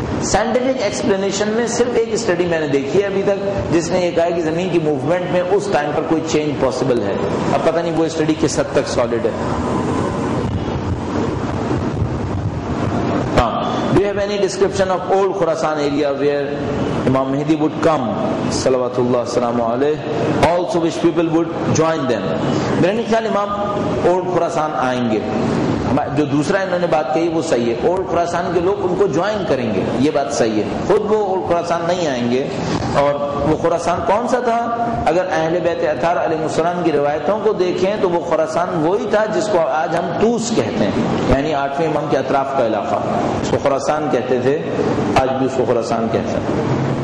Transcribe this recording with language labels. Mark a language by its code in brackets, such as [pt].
[ur] Scientific explanation میں صرف ایک اسٹڈی میں نے دیکھی ہے ابھی تک جس نے یہ کہا کہ زمین کی موومنٹ میں اس ٹائم پر کوئی چینج پاسبل ہے. اب پتہ نہیں وہ اسٹڈی کس حد تک سالڈ ہے. [en] Do you have any description of old Khurasan area where Imam Mahdi would come, [ar] salawatullah salamu alayhi, [en] also which people would join them? [ur] میرے نہیں خیال امام اولڈ خوراسان آئیں گے, جو دوسرا انہوں نے بات کہی وہ صحیح ہے, اولڈ خوراسان کے لوگ ان کو جوائن کریں گے, یہ بات صحیح ہے, خود وہ اولڈ خوراسان نہیں آئیں گے. اور وہ خوراسان کون سا تھا؟ اگر اہل بیت اطہار علیہ السلام کی روایتوں کو دیکھیں تو وہ خوراسان وہی تھا جس کو آج ہم توس کہتے ہیں, یعنی 8ویں امام کے اطراف کا علاقہ, اس کو خوراسان کہتے تھے, آج بھی اس کو خوراسان کہتے ہیں.